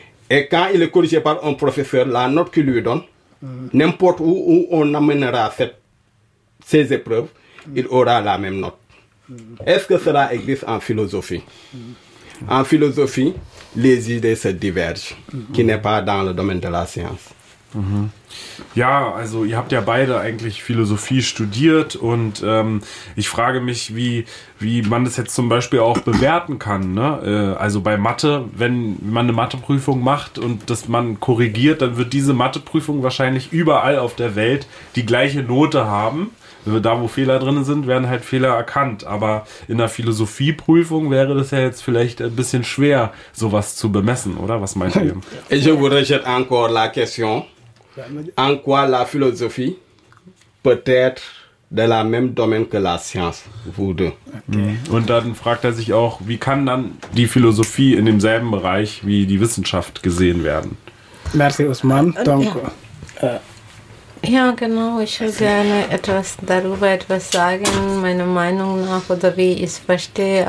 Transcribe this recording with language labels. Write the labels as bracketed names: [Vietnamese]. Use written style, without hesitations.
[French] Et quand il est corrigé par un professeur, la note qu'il lui donne, n'importe où on amènera ces épreuves, il aura la même note. Est-ce que cela existe en philosophie? En philosophie, les idées se divergent, qui n'est pas dans le domaine de la science. [German] Ja, also ihr habt ja beide eigentlich Philosophie studiert und ich frage mich, wie man das jetzt zum Beispiel auch bewerten kann. Ne? Also bei Mathe, wenn man eine Matheprüfung macht und das man korrigiert, dann wird diese Matheprüfung wahrscheinlich überall auf der Welt die gleiche Note haben. Da, wo Fehler drin sind, werden halt Fehler erkannt. Aber in der Philosophieprüfung wäre das ja jetzt vielleicht ein bisschen schwer, sowas zu bemessen, oder? Was meint ihr? [French] Je vous rejette encore la question. En quoi la philosophie peut-être de la même domaine que la science, vous deux? Okay. [German] Und dann fragt sich auch, wie kann dann die Philosophie in demselben Bereich wie die Wissenschaft gesehen werden? [French] Merci, Usman. [German] Danke. Ja, genau. Ich würde gerne darüber etwas sagen, meiner Meinung nach, oder wie ich es verstehe.